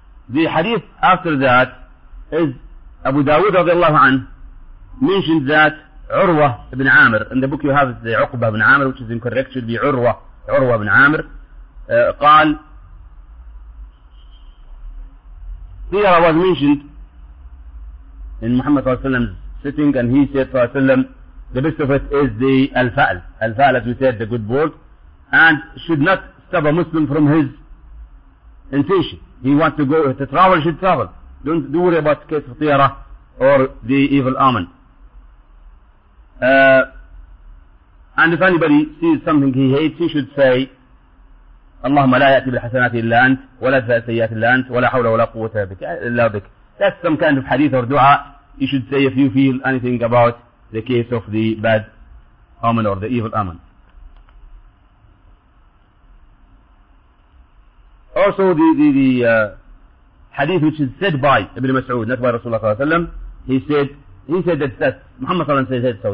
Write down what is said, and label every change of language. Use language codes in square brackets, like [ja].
[en] The hadith after that is Abu Dawud radiallahu anhu mentioned that Urwa ibn Amr, in the book you have the Uqba ibn Amr, which is incorrect, should be Urwa ibn Amr, قال Tira was mentioned in Muhammad sallallahu alayhi wa sallam's sitting, and he said sallallahu alayhi wa sallam, the best of it is the al-fa'al. Al-fa'al, as we said, the good word, and should not stop a Muslim from his intention. He wants to go to travel, should travel. Don't worry about the case of Tira or the evil omen. And if anybody sees something he hates, he should say, [ar] اللهم لا يأتي بالحسنات إلا أنت ولا سيئات إلا أنت ولا حول ولا قوة إلا بك. [en] That's some kind of hadith or dua you should say if you feel anything about the case of the bad omen or the evil omen. Also the hadith which is said by Ibn Mas'ud, not by Rasulullah صلى الله عليه وسلم, he said that Muhammad sallallahu alayhi wa sallam said so.